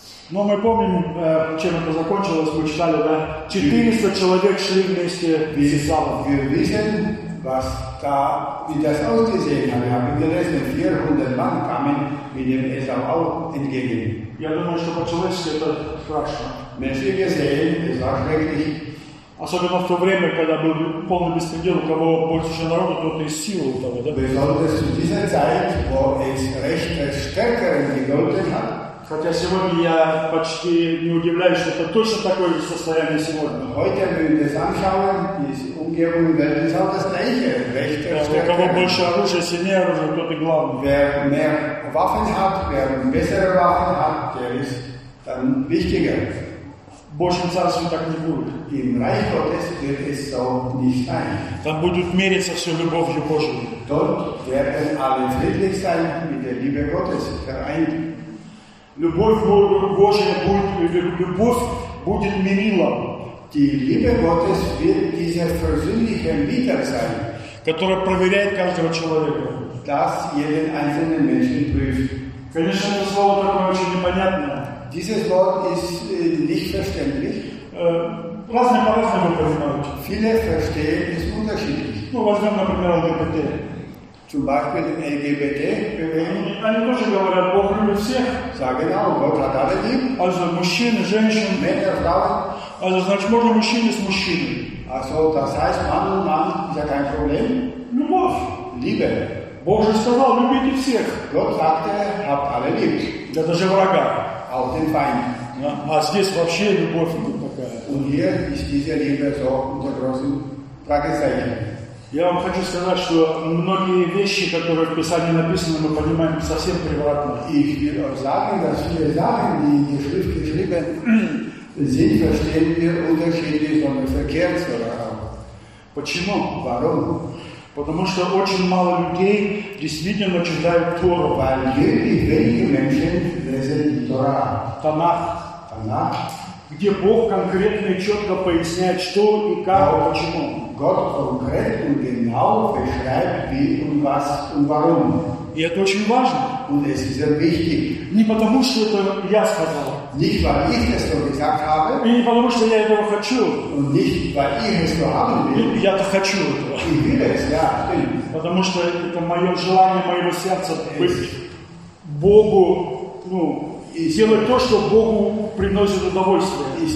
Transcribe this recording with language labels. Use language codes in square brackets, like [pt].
[ru] Но мы помним, чем это закончилось, мы читали, да, 400 человек шли вместе с Эсавом. [de] was da, wie das ausgesehen hat. Wir haben gelesen, 400 Mann kamen mit dem Esau auch entgegen. Ja, du musst aber zuletzt etwas fragen. Menschlich gesehen, es war schrecklich. [ru] Особенно в то время, когда был полный беспредел, у кого больше же народа, то это и силы у того, да? [de] Besonders in dieser Zeit, wo es recht stärkere Gegolten hat. [ru] Хотя сегодня я почти не удивляюсь, что это точно такое же состояние сегодня. [de] Heute, wenn wir das anschauen, die Umgebung wird es auch das gleiche. Rechte, [ru] у кого больше оружия, сильнее оружие, тот и главный. [de] Wer mehr Waffen hat, wer bessere Waffen hat, der ist dann wichtiger. [ru] Больше царства так не будет. [de] Im Reich Gottes wird es so nicht sein. [ru] Там будут мериться все любовью Божьей. [de] Dort werden alle friedlich sein mit der Liebe Gottes vereint. [ru] Любовь Божья будет, любовь будет мерилом. [de] Die Liebe Gottes wird dieser persönliche Meter sein, [ru] которая проверяет каждого человека. [de] Das jeden einzelnen Menschen prüft. [ru] Конечно, это слово такое очень непонятное. [de] Dieses Wort ist nicht verständlich. [ru] Разные по-разному понимают. [de] Viele verstehen es unterschiedlich. [ru] Ну, возьмем, например, ЛГБТ. [de] Zum Beispiel den LGBT. [ru] Они тоже говорят, Бог любит всех. [de] Sagen auch, Gott hat alle lieb. [ru] Also мужчины, женщины. [de] Männer, Frauen. [ru] Also значит, можно мужчины с мужчиной. [de] Also das heißt, Mann und Mann, ist ja kein Problem. [ru] Любовь. [de] Liebe. [ru] Бог же сказал, любите всех. [de] Gott sagte, habt alle lieb. [ru] Да даже врага. [de] Auch den Feind. [ru] Ja, а здесь вообще любовь не такая. [de] Und hier ist diese Liebe so unter großen Fragezeichen. [ru] Я вам хочу сказать, что многие вещи, которые в Писании написаны, мы понимаем совсем превратно. [de] Ich will euch sagen, dass viele Sachen, die die Schrift geschrieben sind, verstehen wir unterschiedlich, sondern verkehrt sogar. [ru] Почему? [de] Warum? [ru] Потому что очень мало людей действительно читают Тору. [de] Weil wirklich wenige Menschen lesen die Tora. [ru] Танах. Танах. Где Бог конкретно и четко поясняет, что и как, Gott, почему. [de] Gott konkret und genau beschreibt, wie und was und warum. [ru] И это очень важно. [de] Und es ist sehr wichtig. [ru] Не потому, что это я сказал. [de] Nicht, weil ich es so gesagt habe. [ru] И не потому, что я этого хочу. [de] Und nicht, weil ich es so haben will. [ru] Я это хочу. [de] Ich will es, ja. [ru] Потому, что это мое желание, моего сердца быть Богу, ну, делать то, что Богу приносит удовольствие.